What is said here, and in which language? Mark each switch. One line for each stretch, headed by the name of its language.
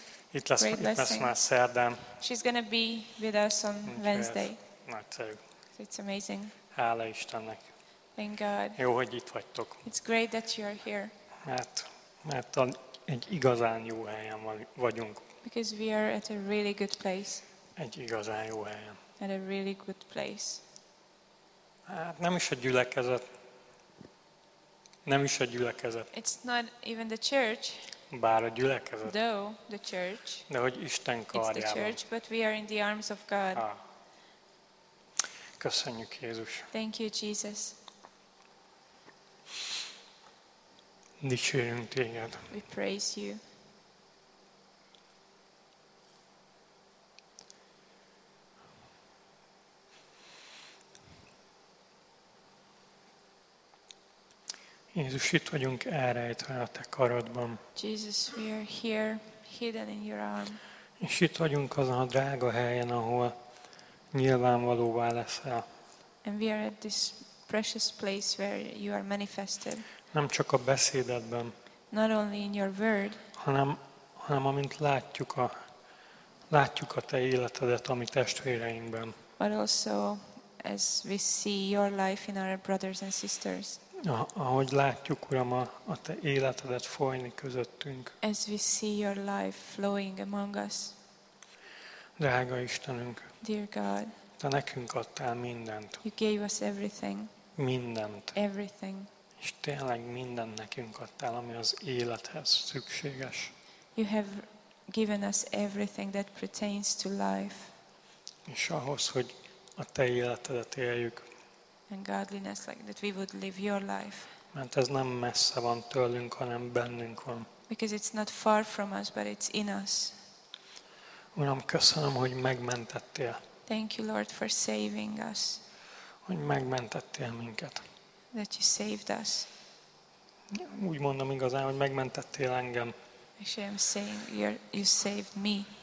Hungarian: Itt lesz már szerdán.
English: She's gonna be with us on Wednesday.
Hungarian: Nagyszerű.
English: It's amazing.
Hungarian: Hála Istennek.
English: Thank God.
Hungarian: Jó, hogy itt vagytok.
English: It's great that you are here.
Hungarian: Mert egy igazán jó helyen vagyunk.
English: Because we are at a really good place.
Hungarian: Egy igazán jó helyen.
English: At a really good place.
Hungarian: Hát nem is a gyülekezet. Nem is a gyülekezet.
English: It's not even the church.
Hungarian: Bár a gyülekezet.
English: Though the church.
Hungarian: De hogy Isten karjában.
English: It's the church, but we are in the arms of God.
Hungarian: Köszönjük, Jézus.
English: Thank you, Jesus.
Hungarian: Dicsérünk téged.
English: We praise you.
Hungarian: Jézus, itt vagyunk elrejtve a te karodban.
English: Jesus, we are here, hidden in your arm.
Hungarian: És itt vagyunk azon a drága helyen, ahol nyilvánvalóvá leszel.
English: And we are at this precious place where you are manifested.
Hungarian: Nem csak a beszédedben.
English: Not only in your word.
Hungarian: Hanem amint látjuk a te életedet a mi testvéreinkben.
English: But also as we see your life in our brothers and sisters.
Hungarian: Ahogy látjuk, Uram, a te életedet folyni közöttünk.
English: As we see your life flowing among us.
Hungarian: Drága Istenünk.
English: Dear God.
Hungarian: Te nekünk adtál mindent.
English: You gave us everything.
Hungarian: Mindent.
English: Everything.
Hungarian: És tényleg mindent nekünk adtál, ami az élethez szükséges.
English: You have given us everything that pertains to life.
Hungarian: És ahhoz, hogy a te életedet éljük.
English: And godliness, like that we would live your life.
Hungarian: Mert ez nem messze van tőlünk, hanem bennünk van.
English: Because it's not far from us, but it's in us.
Hungarian: Uram, köszönöm, hogy megmentettél.
English: Thank you, Lord, for saving us.
Hungarian: Hogy megmentettél minket.
English: That you saved us.
Hungarian: Úgy mondom igazán, hogy megmentettél engem.
English: Actually, I'm saying you saved me.